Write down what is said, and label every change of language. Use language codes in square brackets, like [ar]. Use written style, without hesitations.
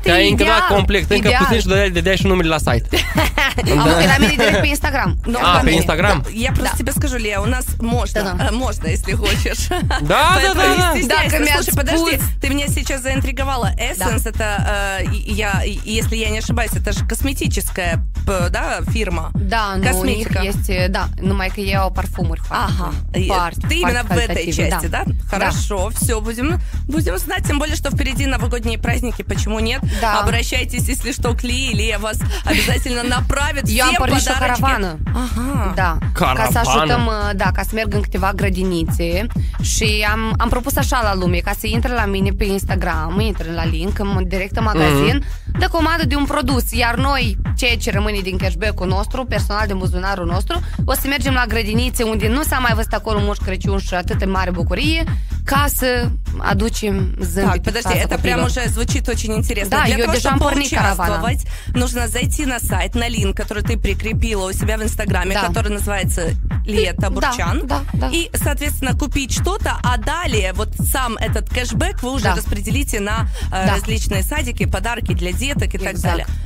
[ro] te-ai încadrat complet, încă puțin și dădeai și numele la site. Am văzut la mine direct pe Instagram. A, pe Instagram? [ru] Я просто тебе скажу, Лея, у нас можно. Можно, если хочешь. Да. Слушай, подожди, ты меня сейчас заинтриговала. Essence, это, если я не ошибаюсь, это же косметическая, да, фирма? Да, ну у них есть, да, ну майка Ео парфюмер. Ага, ты именно в этой части, да? Хорошо, все, будем знать. Тем более, что впереди новогодние праздники, почему нет? Да. Обращайтесь, если что, к Лии, или я вас обязательно направит все подарочки. Я порешу каравана. Ага. Да. Каравана. [ro] Ca să ajutăm, da, ca să mergem câteva grădinițe. Și am propus așa la lume, ca să intre la mine pe Instagram, intre la link, direct în magazin, dă comandă de un produs. Iar noi, ceea ce rămâne din cashback-ul nostru, personal din buzunarul nostru, o să mergem la grădinițe unde nu s-a mai văzut acolo Moș Crăciun și atât de mare bucurie, ca să aducem zâmbit. [ru] Так, подожди, это прям уже звучит очень интересно. Да, для того, чтобы поучаствовать, нужно зайти на сайт, на линк, который ты прикрепила у себя в Инстаграме, да, который называется «Лета Бурчан». Да, да, да. И, соответственно, купить что-то, а далее вот сам этот кэшбэк вы уже распределите на различные садики, подарки для деток и так далее.